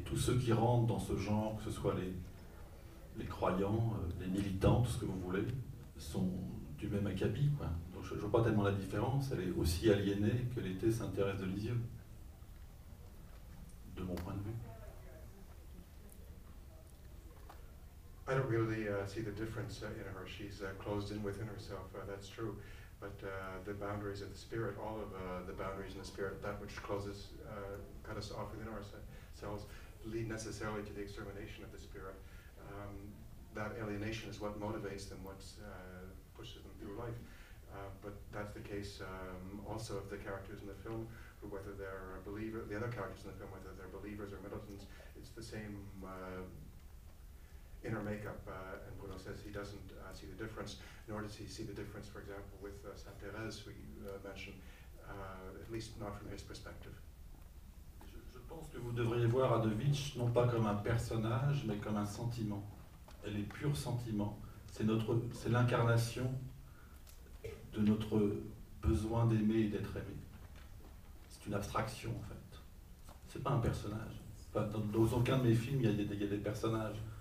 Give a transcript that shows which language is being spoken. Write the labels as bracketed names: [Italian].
[French] et tous ceux qui rentrent dans ce genre, que ce soit les croyants, les militants, tout ce que vous voulez, sont du même acabit, quoi. Donc je ne vois pas tellement la différence, elle est aussi aliénée que l'était Saint-Thérèse de Lisieux, de mon point de vue. [English] I don't really see the difference in her. She's closed in within herself, that's true. But the boundaries of the spirit, all of the boundaries in the spirit, that which closes, cut us off within ourselves, lead necessarily to the extermination of the spirit. That alienation is what motivates them, what pushes them through life. But that's the case also of the characters in the film, who, whether they're believers, the other characters in the film, whether they're believers or militants, it's the same inner makeup, and Bruno says he doesn't see the difference, nor does he see the difference, for example, with Saint-Thérèse, we mentioned, at least not from his perspective. [French] Je pense que vous devriez voir Adovitch non pas comme un personnage, mais comme un sentiment. Elle est pure sentiment. C'est l'incarnation de notre besoin d'aimer et d'être aimé. C'est une abstraction, en fait. C'est pas un personnage. Enfin, dans aucun de mes films, il y a des personnages.